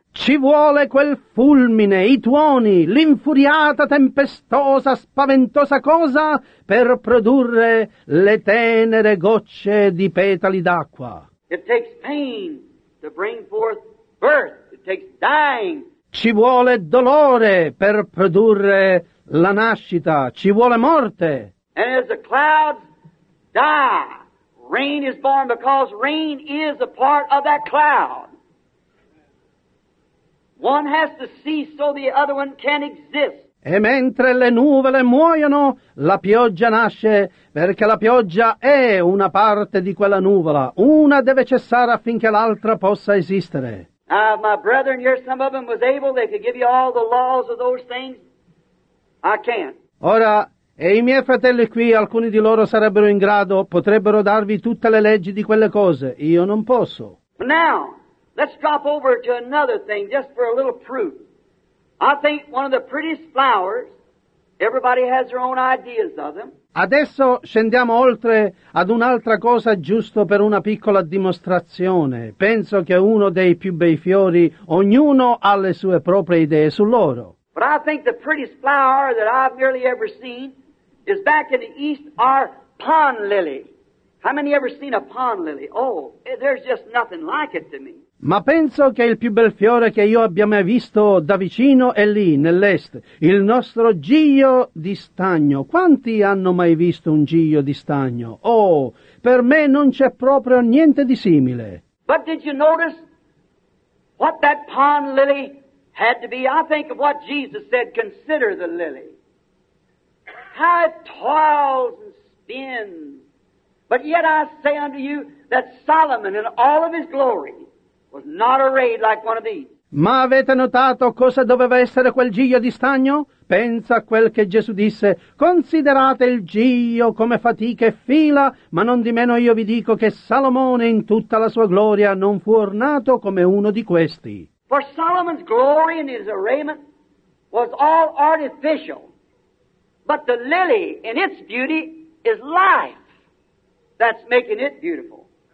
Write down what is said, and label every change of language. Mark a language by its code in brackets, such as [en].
[it] Ci vuole quel fulmine, i tuoni, l'infuriata, tempestosa, spaventosa cosa per produrre le tenere gocce di petali d'acqua. [en] It takes pain to bring forth birth. It takes dying. [it] Ci vuole dolore per produrre la nascita. Ci vuole morte. [en] And as the clouds die, rain is born because rain is a part of that cloud. One has to see so the other one can exist. [it] E mentre le nuvole muoiono, la pioggia nasce, perché la pioggia è una parte di quella nuvola. Una deve cessare affinché l'altra possa esistere. [en] My brethren, here some of them was able, they could give you all the laws of those things. I can't. [it] Ora, e i miei fratelli qui, alcuni di loro sarebbero in grado, potrebbero darvi tutte le leggi di quelle cose. Io non posso. [en] But now, let's drop over to another thing just for a little proof. I think one of the prettiest flowers, everybody has their own ideas of them. [it] Adesso scendiamo oltre ad un'altra cosa giusto per una piccola dimostrazione. Penso che uno dei più bei fiori, ognuno ha le sue proprie idee su loro. [en] But I think the prettiest flower that I've nearly ever seen is back in the east, our pond lily. How many ever seen a pond lily? Oh, there's just nothing like it to me. [it] Ma penso che il più bel fiore che io abbia mai visto da vicino è lì, nell'est, il nostro giglio di stagno. Quanti hanno mai visto un giglio di stagno? Oh, per me non c'è proprio niente di simile. [en] But did you notice what that pond lily had to be? I think of what Jesus said, consider the lily. How it toils and spins. But yet I say unto you that Solomon in all of his glory was not arrayed like one of these. [it] Ma avete notato cosa doveva essere quel giglio di stagno? Pensa a quel che Gesù disse: considerate il giglio come fatica e fila, ma non di meno io vi dico che Salomone in tutta la sua gloria non fu ornato come uno di questi. [en] For Solomon's glory in his arrayment was all artificial, but the lily in its beauty is life that's making it beautiful.